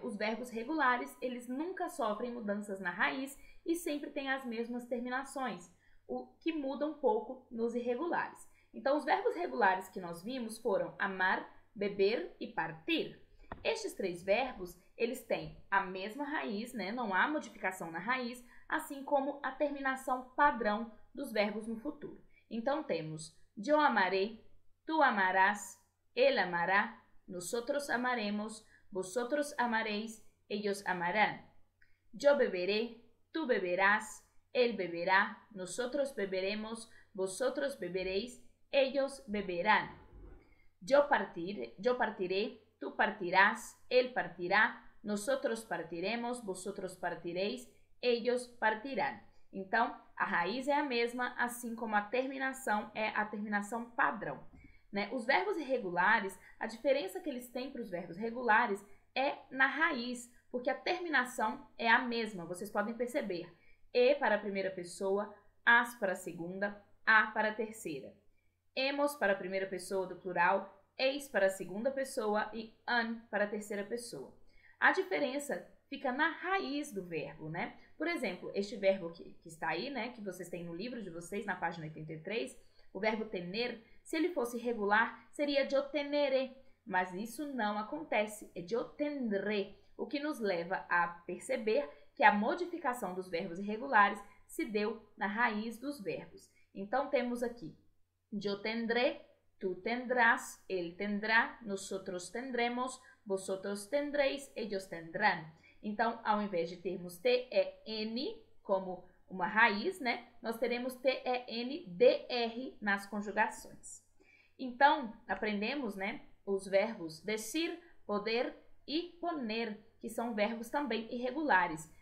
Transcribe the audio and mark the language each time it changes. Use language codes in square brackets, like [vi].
[pt] Os verbos regulares, eles nunca sofrem mudanças na raiz e sempre têm as mesmas terminações, o que muda um pouco nos irregulares. Então, os verbos regulares que nós vimos foram amar, beber e partir. Estes três verbos, eles têm a mesma raiz, né? Não há modificação na raiz, assim como a terminação padrão dos verbos no futuro. Então temos: [es] yo amaré, tú amarás, él amará, nosotros amaremos, vosotros amaréis, ellos amarán. Yo beberé, tú beberás, él beberá, nosotros beberemos, vosotros bebereis, ellos beberán. Yo partiré. Tú partirás, él partirá, nosotros partiremos, vosotros partireis, ellos partirán. [pt] Então, a raiz é a mesma, assim como a terminação é a terminação padrão, né? Os verbos irregulares, a diferença que eles têm para os verbos regulares é na raiz, porque a terminação é a mesma, vocês podem perceber. E para a primeira pessoa, as para a segunda, a para a terceira. Hemos para a primeira pessoa do plural, eis para a segunda pessoa e an para a terceira pessoa. A diferença fica na raiz do verbo, né? Por exemplo, este verbo que está aí, né, que vocês têm no livro de vocês, na página 83, o verbo tener, se ele fosse regular, seria yo tenere, mas isso não acontece, é yo tendré, o que nos leva a perceber que a modificação dos verbos irregulares se deu na raiz dos verbos. Então temos aqui: [es] yo tendré, tú tendrás, él tendrá, nosotros tendremos, vosotros tendréis, ellos tendrán. [pt] Então, ao invés de termos T-E-N como uma raiz, né, nós teremos T-E-N-D-R nas conjugações. Então, aprendemos, né, os verbos decir, poder e poner, que são verbos também irregulares.